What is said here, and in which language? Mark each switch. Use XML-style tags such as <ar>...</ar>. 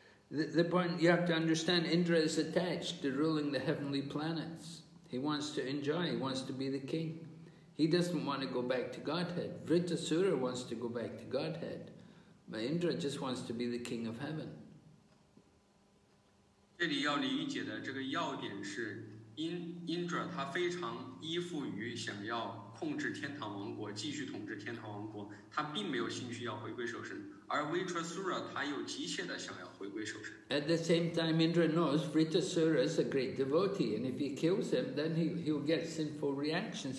<en>The point you have to understand, Indra is attached to ruling the heavenly planets. He wants to enjoy, he wants to be the king. He doesn't want to go back to Godhead. Vritasura wants to go back to Godhead. But Indra just wants to be the king of heaven.</en> <zh>这里要理解的这个要点是，Indra他非常依附于想要控制天堂王国，继续统治天堂王国，他并没有兴趣要回归受身，而Vritasura他又急切的想要回归受身。</zh> <en>At the same time, Indra knows Vritasura is a great devotee, and if he kills him, then he'll get sinful reactions.</en>